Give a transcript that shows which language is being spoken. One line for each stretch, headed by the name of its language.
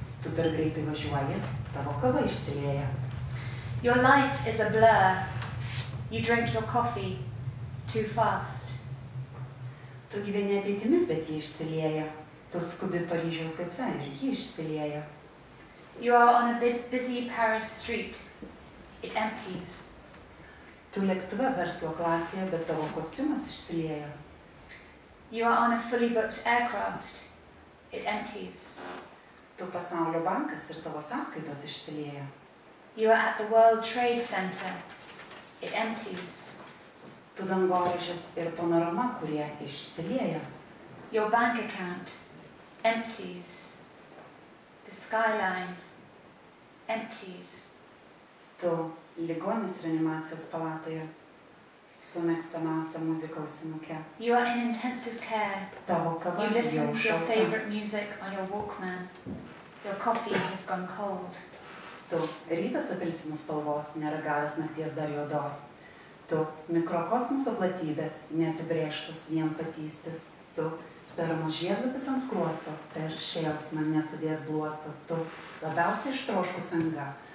Lithuanian: Tu per greitai važiuoji, tavo kava išsilieja.
English: Your life is a blur. You drink your coffee too fast.
Lithuanian: Tu gyveni ateitimi, bet ji išsilieja. Tu skubi Paryžiaus gatve ir ji išsilieja.
English: You are on a busy Paris street. It empties.
Lithuanian: Tu lėktuve verslo klasėje, bet tavo kostiumas išsilieja.
English: You are on a fully booked aircraft. It empties.
Lithuanian: Tu pasaulio bankas ir tavo sąskaitos išsilieja.
English: You are at the World Trade Center. It empties.
Lithuanian: Tu dangoraižis ir panorama, kurie išsilieja.
English: Your bank account empties. The skyline empties.
Lithuanian: Tu ligonis reanimacijos palatoje. Su mėgstamiausia muzika ausinuke.
English: You are in intensive care.
Lithuanian: Tavo kava jau šalta.
English: You listen to your favorite music on your Walkman. Your coffee has gone cold.
Lithuanian: Tu rytas apelsinų spalvos, neragavęs nakties dar juodos. Tu mikrokosmoso platybės, neapibrėžtos vienpatystis. Tu spermos žiedlapis ant skruosto, per šėlsmą nesudės bluosto. Tu labiausiai ištroškus anga.